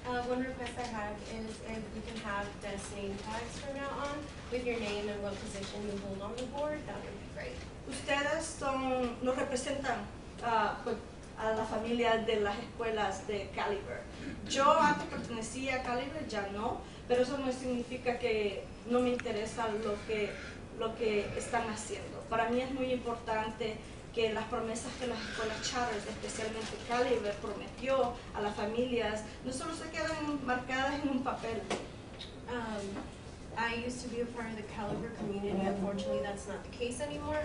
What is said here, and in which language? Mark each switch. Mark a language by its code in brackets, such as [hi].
[en] One request I have is if we can have desk name tags from now on with your name and what position you hold on the board, that would be great. [es] Ustedes nos representan a la familia de las escuelas de Caliber. Yo antes pertenecía a Caliber, ya no, pero eso no significa que no me interesa lo que están haciendo. Para mí es muy importante que las promesas que las escuelas charters, especialmente Caliber, prometió a las familias, no solo se quedan marcadas en un papel. [en] I used to be a part of the Caliber community. Unfortunately, that's not the case anymore.